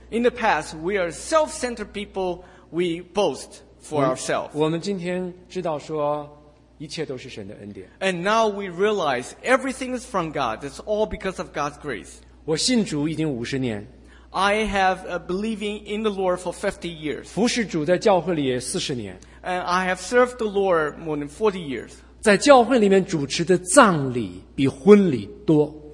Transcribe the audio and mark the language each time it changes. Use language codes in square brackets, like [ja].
[en] In the past, we are self-centered people. We boast for ourselves. [zh] 我们今天知道说，一切都是神的恩典。 [en] And now we realize everything is from God. It's all because of God's grace. [zh] 我信主已经五十年。 [en] I have believing in the Lord for 50 years. [zh] 服侍主在教会里也四十年。 [en] And I have served the Lord more than 40 years. [zh] 在教会里面主持的葬礼比婚礼多。